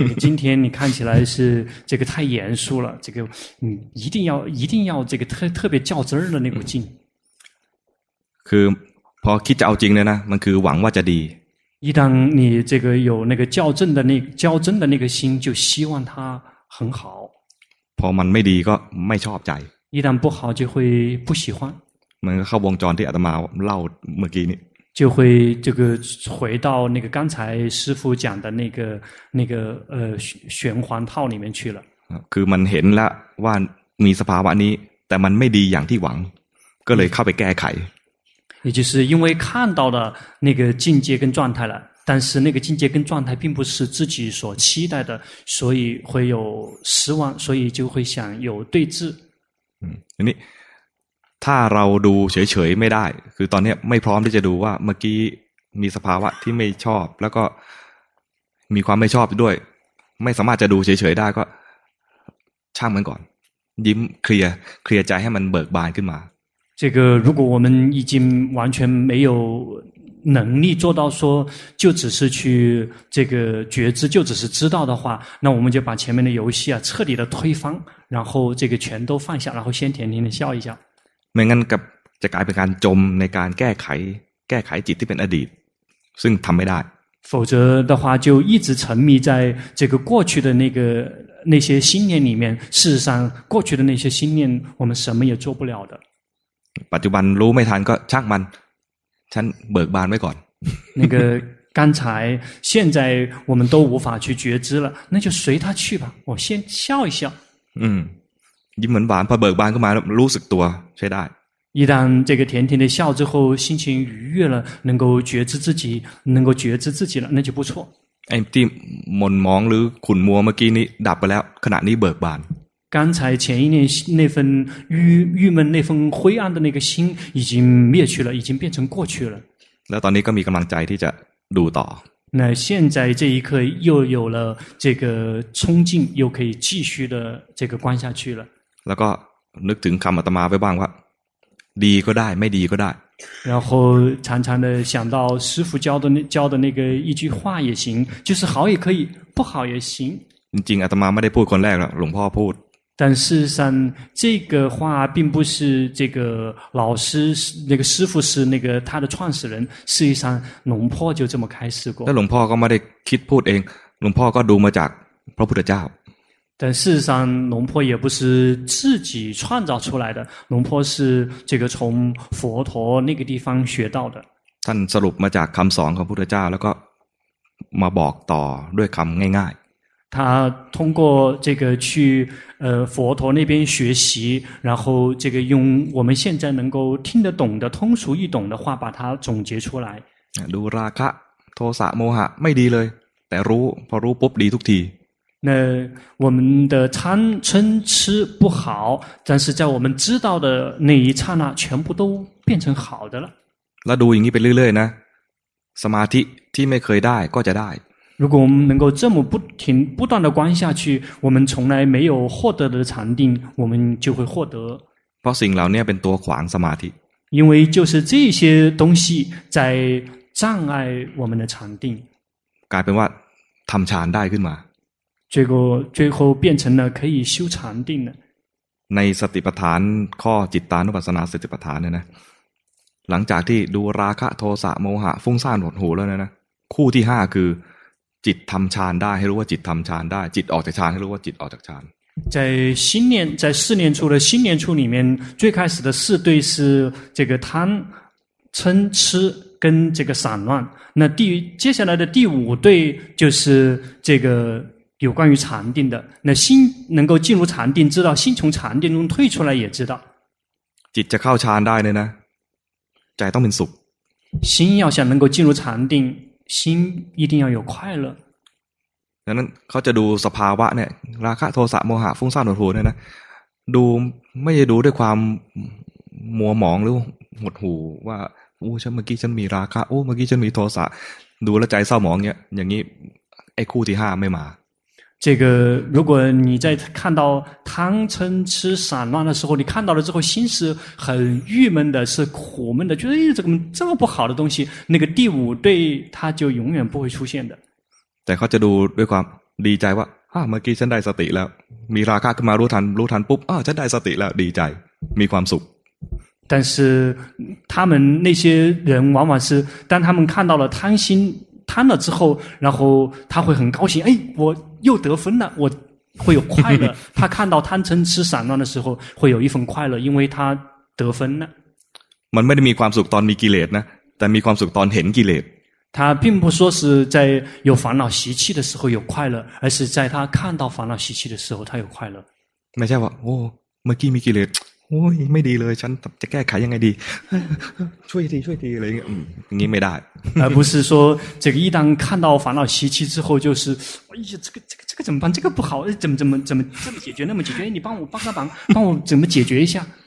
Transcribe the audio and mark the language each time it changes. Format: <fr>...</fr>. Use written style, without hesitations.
<zh>今天你看起来是这个太严肃了这个一定要这个特别较真的那股劲</zh> <th>คือพอคิดจะเอาจริงเนี่ยนะมันคือหวังว่าจะดี</th> <zh>一旦你这个有那个较真的那个心就希望它很好</zh> <th>พอมันไม่ดีก็ไม่ชอบใจ</th> <zh>一旦不好就会不喜欢</zh> <th>มันก็เข้าวงจรที่อาตมาเล่าเมื่อกี้นี้</th> <zh>就会这个回到那个刚才师父讲的那个循环套里面去了</zh> <th>คือมันเห็นแล้วว่ามีสภาวะนี้แต่มันไม่ดีอย่างที่หวังก็เลยเข้าไปแก้ไข</th> <zh>也就是因为看到了那个境界跟状态了但是那个境界跟状态并不是自己所期待的所以会有失望所以就会想有对峙</zh> <th>นี่ถ้าเราดูเฉยๆไม่ได้คือตอนนี้ไม่พร้อมที่จะดูว่าเมื่อกี้มีสภาวะที่ไม่ชอบแล้วก็มีความไม่ชอบด้วยไม่สามารถจะดูเฉยๆได้ก็ช่างมันก่อนยิ้มเคลียร์ใจให้มันเบิกบานขึ้นมา</th> <zh>这个如果我们已经完全没有能力做到说就只是去这个觉知就只是知道的话，那我们就把前面的游戏啊彻底的推翻，然后这个全都放下，然后先甜甜的笑一笑。</zh> <th>ไม่งั้นก็จะกลายเป็นการจมในการแก้ไขจิตที่เป็นอดีตซึ่งทำไม่ได้。</th> <zh>否则的话就一直沉迷在这个过去的那些心念里面，事实上过去的那些心念我们什么也做不了的。</zh> <th>ปัจจุบันรู้ไม่ทันก็ช่างมันฉันเบิกบานไว้ก่อน</th> <zh>那个刚才现在我们都无法去觉知了，那就随他去吧，我先笑一笑。</zh> <th>ยิ้มหวานพอเบิกบานขึ้นมาแล้วรู้สึกตัวใช้ได้</th> <zh>一旦这个甜甜的笑之后心情愉悦了，能够觉知自己了那就不错。</zh> <th>ไอ้ที่หม่นมองหรือขุ่นมัวเมื่อกี้นี้ดับไปแล้วขณะนี้เบิกบาน</th> <zh>刚才前一年那份郁闷那份灰暗的那个心已经灭去了，已经变成过去了。</zh> <th>แล้วตอนนี้ก็มีกำลังใจที่จะดูต่อ</th> <zh>那现在这一刻又有了这个冲劲，又可以继续的这个观下去了。</zh> <th>แล้วก็นึกถึงคำอาตมาไว้บ้างว่าดีก็ได้ไม่ดีก็ได้</th> <zh>然后常常的想到师父教的那个一句话也行，就是好也可以，不好也行。</zh> <th>จริงๆอาตมาไม่ได้พูดคนแรกหรอกหลวงพ่อพูด</th> <zh>但事实上这个话并不是这个老师那个师父是那个他的创始人事实上龙婆就这么开始过</zh> <th>那龙婆ก็ไม่ได้คิดพูดเองหลวงพ่อก็ดูมาจากพระพุทธเจ้า</th> <zh>但事实上龙婆也不是自己创造出来的龙婆是这个从佛陀那个地方学到的</zh> <th>ท่านสรุปมาจากคำสอนของพุทธเจ้าแล้วก็มาบอกต่อด้วยคำง่าย</th> <zh>他通过这个去佛陀那边学习，然后这个用我们现在能够听得懂的通俗易懂的话把它总结出来。</zh> <th>ดูราคะโทสะโมหะไม่ดีเลยแต่รู้พอรู้ปุ๊บดีทุกที。</th> <zh>那我们的贪嗔痴不好，但是在我们知道的那一刹那，全部都变成好的了。</zh> <th>แล้วดูอย่างนี้ไปเรื่อยๆนะสมาธิที่ไม่เคยได้ก็จะได้</th> <zh>如果我们能够这么不停不断的观下去，我们从来没有获得的禅定，我们就会获得。</zh> <th>เพราะสิ่งเหล่านี้เป็นตัวขวางสมาธิ。</th> <zh>因为就是这些东西在障碍我们的禅定。</zh> <th>กลายเป็นว่าทำฌานได้ขึ้นมา。</th> <zh>最后变成了可以修禅定了。</zh> <th>ในสติปัฏฐานข้อจิตตานุปัสสนาสติปัฏฐานเนี่ยนะหลังจากที่ดูราคะโทสะโมหะฟุ้งซ่านหดหู่แล้วนะคู่ที่ห้าคือจิตทำฌานได้ให้รู้ว่าจิตทำฌานได้จิตออกจากฌานให้รู้ว่าจิตออกจากฌาน</th> <zh>在心念在四念处的心念处里面最开始的四对是这个贪嗔痴跟这个散乱那第接下来的第五对就是这个有关于禅定的那心能够进入禅定知道心从禅定中退出来也知道</zh> <th>จิตจะเข้าฌานได้เลยนะใจต้องเป็นสุข</th> <zh>心要想能够进入禅定心一定要有快乐。</zh> <th>ดังนั้นเขาจะดูสภาวะเนี่ยราคะโทสะโมหะฟุ้งซ่านหดหู่เนี่ยนะดูไม่ใช่ดูด้วยความมัวหมองหรือหดหู่ว่าโอ้ฉันเมื่อกี้ฉันมีราคะโอ้เมื่อกี้ฉันมีโทสะดูแล้วใจเศร้าหมองเนี่ยอย่างนี้ไอ้คู่ที่ห้าไม่มา</th> <zh>这个如果你在看到贪嗔痴散乱的时候，你看到了之后，心是很郁闷的，是苦闷的，觉得怎么这么不好的东西？那个第五对他就永远不会出现的。</zh> <th>แต่เขาจะดูด้วยความดีใจว่าเมื่อกี้ฉันได้สติแล้วมีราคะขึ้นมารู้ทันรู้ทันปุ๊บฉันได้สติแล้วดีใจมีความสุข</th> <zh>但是他们那些人往往是当他们看到了贪心贪了之后，然后他会很高兴，哎，我又得分了，我会有快乐。他看到贪嗔痴散乱的时候，会有一份快乐，因为他得分了。</zh> <th>มันไม่ได้มีความสุขตอนมีกิเลสนะแต่มีความสุขตอนเห็นกิเลส</th> <zh>他并不说是在有烦恼习气的时候有快乐，而是在他看到烦恼习气的时候，他有快乐。</zh> <th>ไม่ใช่ว่าโอ้เมื่อกี้มีกิเลสโอ้ยไม่ดีเลยฉันจะแก้ไขยังไงดีช่วยทีช่วยทีอะไรอย่างเงี้ยไม่ได้</th> <zh>而不是说这个一旦看到烦恼习气之后就是哎呀这个怎么办这个不好怎么解决那么解决你帮我帮个忙帮我怎么解决一下</zh>